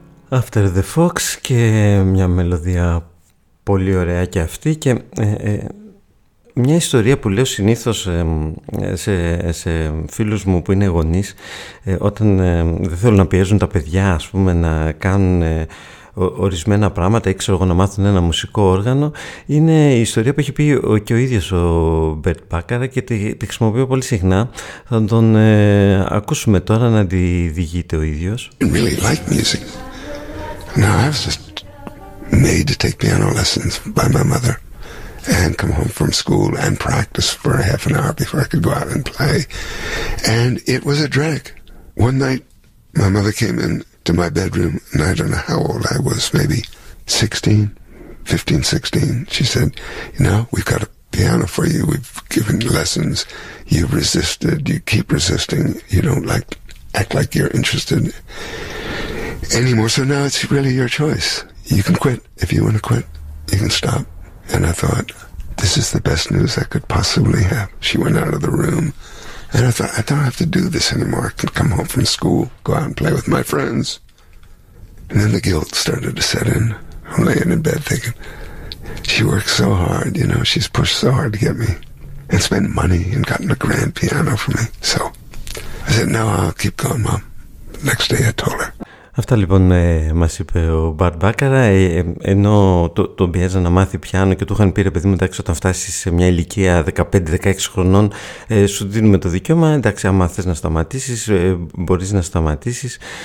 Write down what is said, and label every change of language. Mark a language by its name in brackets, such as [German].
[Greek] After the Fox και μια μελωδία πολύ ωραία και αυτή, και μια ιστορία που λέω συνήθως σε φίλους μου που είναι γονείς, όταν δεν θέλουν να πιέζουν τα παιδιά ας πούμε να κάνουν ορισμένα πράγματα ή ξέρω εγώ να μάθουν ένα μουσικό όργανο, είναι η ιστορία που έχει πει και ο ίδιος ο Μπερτ Μπάκαρα και τη χρησιμοποιώ πολύ συχνά. Θα τον ακούσουμε τώρα να τη διηγείται ο ίδιος. [English] Really like music. No, I was just made to take piano lessons by my mother and come home from school and practice for a half an hour before I could go out and play. And it was a drag. One night, my mother came in to my bedroom, and I don't know how old I was, maybe 16, 15, 16. She said, you know, we've got a piano for you. We've given lessons. You've resisted. You keep resisting. You don't like act like you're interested anymore, so now it's really your choice. You can quit. If you want to quit, you can stop. And I thought, this is the best news I could possibly have. She went out of the room, and I thought, I don't have to do this anymore. I can come home from school, go out and play with my friends. And then the guilt started to set in. I'm laying in bed thinking, she worked so hard, you know, she's pushed so hard to get me, and spent money and gotten a grand piano for me. So I said, no, I'll keep going, Mom. The next day I told her. [Greek] Αυτά λοιπόν μας είπε ο Μπαρτ Μπάκαρα, ενώ τον πιέζαν να μάθει πιάνο και του είχαν πει, ρε παιδί μου, εντάξει, όταν φτάσεις σε μια ηλικία 15-16 χρονών σου δίνουμε το δικαίωμα, εντάξει, άμα θες να σταματήσεις, μπορείς να σταματήσεις.